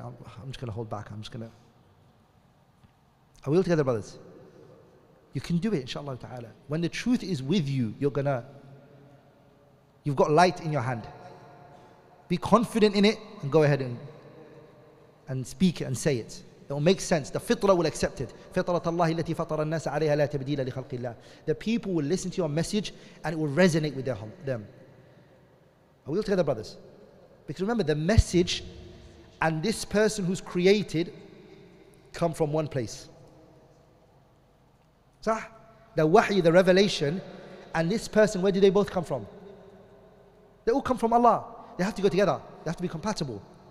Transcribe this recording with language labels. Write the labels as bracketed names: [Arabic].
[English] I'm just going to hold back. I'm just going to... Are we all together, brothers? You can do it, inshallah ta'ala. When the truth is with you, you've got light in your hand. Be confident in it and go ahead and speak it and say it. It will make sense. The fitrah will accept it. [Arabic] Fitrat Allah التي فطر الناس عليها لا تبديل لخلق الله. [English] The people will listen to your message and it will resonate with them. Are we all together, brothers? Because remember, the message and this person who's created come from one place. The wahi, the revelation, and this person, where do they both come from? They all come from Allah. They have to go together. They have to be compatible.